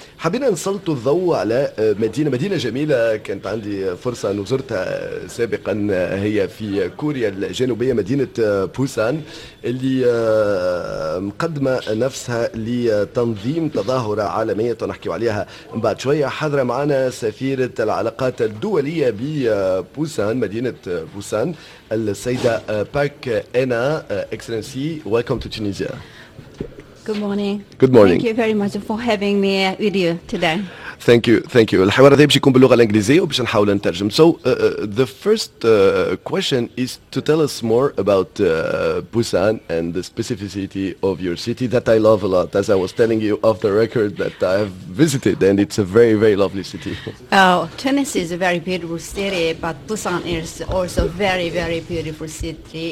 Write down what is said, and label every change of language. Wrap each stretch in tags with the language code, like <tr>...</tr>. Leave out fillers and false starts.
<ar>حبينا نسلطوا الضوء على مدينة جميلة كانت عندي فرصة نزرتها سابقا هي في كوريا الجنوبية مدينة بوسان اللي مقدمة نفسها لتنظيم تظاهرة عالمية ونحكي عليها بعد شوية. حضر معنا سفيرة العلاقات الدولية ببوسان مدينة بوسان السيدة باك أنا.</ar> <en>Excellency welcome to Tunisia. Good morning. Thank you very much for having me with you today. Thank you.</en> <ar>الحوار هذا بيكون باللغة الإنجليزية وبش نحاول نترجم.</ar> <en>So the first question is to tell us more about Busan and the specificity of your city that I love a lot. As I was telling you off the record that I have visited and it's a very very lovely city. Oh, Tennessee is a very beautiful city, but Busan is also very very beautiful city.</en>